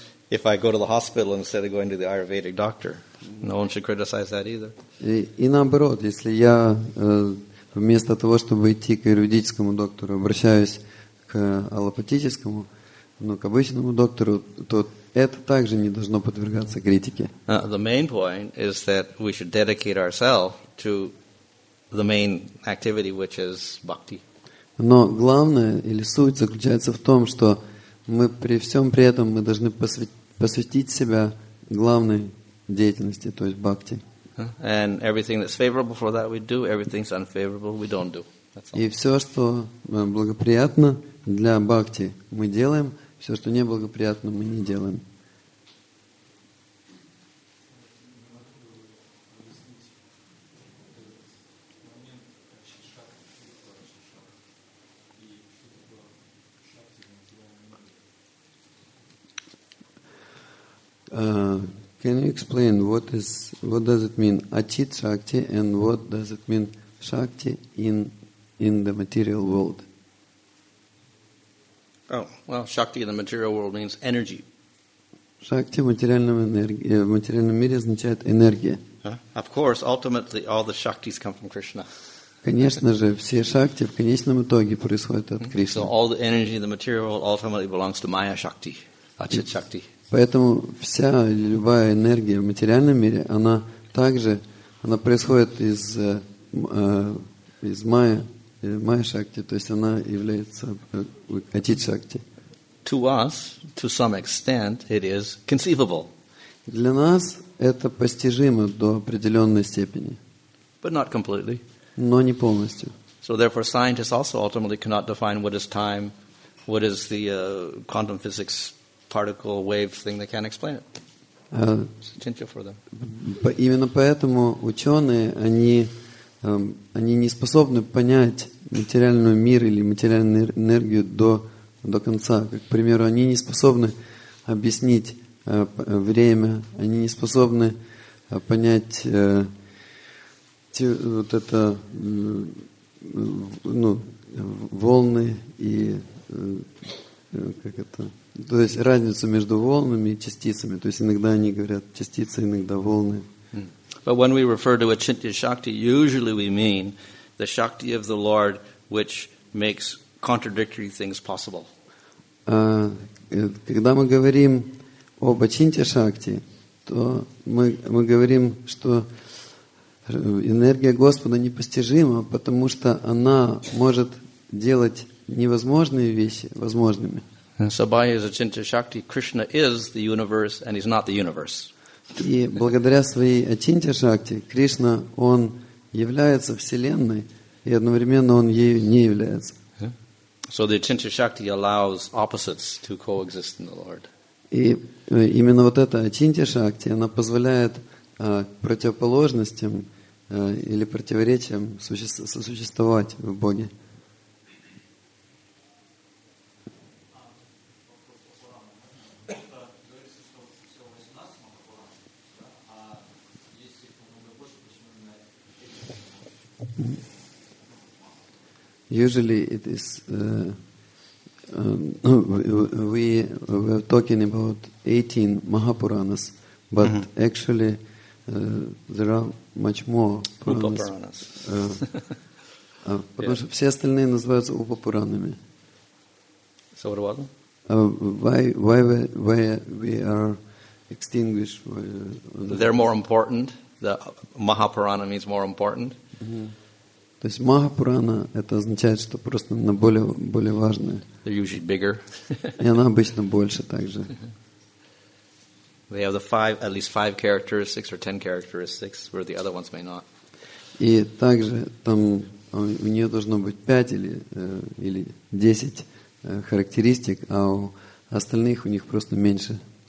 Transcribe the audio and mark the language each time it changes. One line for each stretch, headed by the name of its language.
English: If I go to the hospital instead of going to the Ayurvedic doctor, no one should criticize that either.
Russian: И наоборот, если я вместо того, чтобы идти к аюрведическому доктору, обращаюсь к аллопатическому, ну, к обычному доктору, то это также не должно подвергаться критике.
English: The main point is that we should dedicate ourselves to the main activity, which is bhakti.
Russian: Но главное или суть заключается в том, что мы при всем при этом мы должны посвятить себя главной деятельности, то есть бхакти.
English: And everything that's favorable for that we do, everything's unfavorable we don't do. That's all.
Russian: И все, что благоприятно для бхакти, мы делаем. Все, что неблагоприятно, мы не делаем.
English: Can you explain what does it mean Achit Shakti and what does it mean Shakti in the material world? Oh, well, Shakti in the material world means energy.
Russian: Шакти в материальном мире означает энергия.
English: Of course, ultimately all the shaktis come from Krishna.
Russian: Конечно же, все шакти в конечном итоге происходят от Кришны.
English: So all the energy in the material world ultimately belongs to Maya Shakti, Achit Shakti.
Russian: Поэтому вся любая энергия в материальном мире, она также, она происходит из из Maya Shakti, то есть она является Achit Shakti.
English: To us, to some extent, it is conceivable.
Russian: Для нас это постижимо до определенной степени.
English: But not completely.
Russian: Но не полностью.
English: So therefore, scientists also ultimately cannot define what is time, what is the quantum physics particle wave thing. They can't explain it. Potential for them.
Russian: Именно поэтому ученые они не способны понять материальный мир или материальную энергию до конца. Как, к примеру, они не способны объяснить время, они не способны понять вот это ну, волны и как это, то есть разницу между волнами и частицами. То есть иногда они говорят частицы, иногда волны.
English: But when we refer to Achintya Shakti, usually we mean the Shakti of the Lord, which makes contradictory things possible.
Russian: Когда мы говорим об Ачинте Шакти, то мы говорим, что энергия Господа непостижима, потому что она может делать невозможные вещи возможными.
English: So by his Ачинте Шакти, Krishna is the universe and he's not the universe.
Russian: И благодаря своей Ачинте Шакти, Кришна, он является Вселенной, и одновременно он ею не является.
English: So the Achintya Shakti allows opposites to coexist in the Lord.
Russian: И именно вот эта Ачинтья Шакти, она позволяет противоположностям или противоречиям сосуществовать в Боге.
English: Usually it is we are talking about 18 Mahapuranas, but actually there are much more Puranas.
Russian: Потому что все остальные называются Упапуранами.
English: So what about them? Why we are extinguished? They're more important. The Mahapurana means more important.
Russian: То есть Махапурана это означает, что просто она более важная.
English: They're usually bigger.
Russian: И она обычно больше также.
English: They have the at least five characteristics or 10 characteristics, where the other ones may not.
Russian: И также там у нее должно быть 5 или 10 характеристик, а у остальных у них просто меньше.